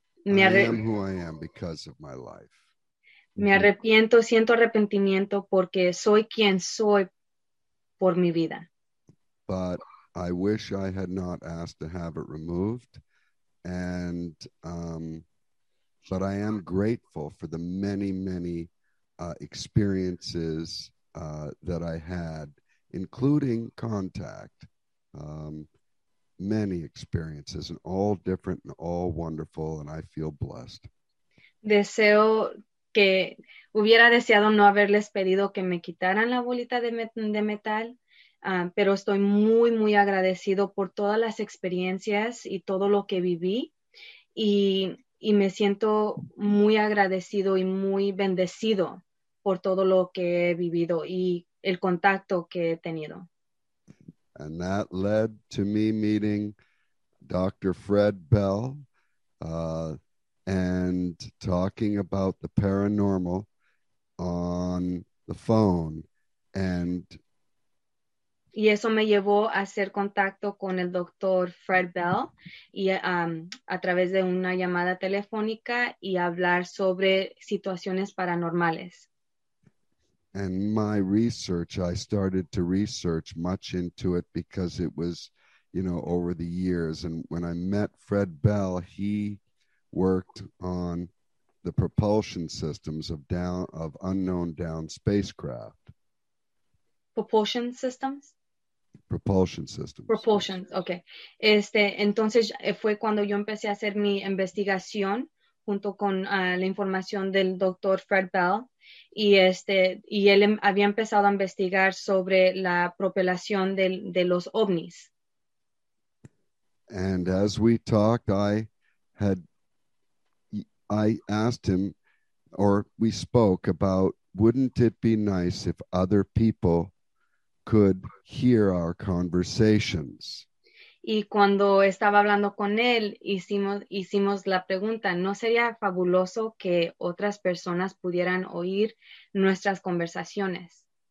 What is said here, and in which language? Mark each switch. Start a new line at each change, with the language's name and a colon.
English: I am who I am because of my life.
Spanish: Me arrepiento, siento arrepentimiento porque soy quien soy por mi vida.
English: But I wish I had not asked to have it removed. And, but I am grateful for the many, many experiences that I had, including contact. Many experiences, and all different and all wonderful, and I feel blessed.
Spanish: Deseo que hubiera deseado no haberles pedido que me quitaran la bolita de metal, pero estoy muy, muy agradecido por todas las experiencias y todo lo que viví, y me siento muy agradecido y muy bendecido por todo lo que he vivido y el contacto que he tenido.
English: And that led to me meeting Dr. Fred Bell, and talking about the paranormal on the phone, and
Spanish: y eso me llevó a hacer contacto con el doctor Fred Bell y a través de una llamada telefónica y hablar sobre situaciones paranormales.
English: And my research, I started to research much into it because it was, you know, over the years. And when I met Fred Bell, he worked on the propulsion systems of unknown downed spacecraft. Propulsion systems? Propulsion systems. Propulsion, okay.
Spanish: Entonces fue cuando yo empecé a hacer mi investigación junto con la información del doctor Fred Bell. Y y él había empezado a investigar sobre la propulsión de los ovnis.
English: And as we talked, I asked him, or we spoke about, wouldn't it be nice if other people could hear our conversations?
Spanish: Y cuando estaba hablando con él, hicimos la pregunta, ¿no sería fabuloso que otras personas pudieran oír nuestras conversaciones?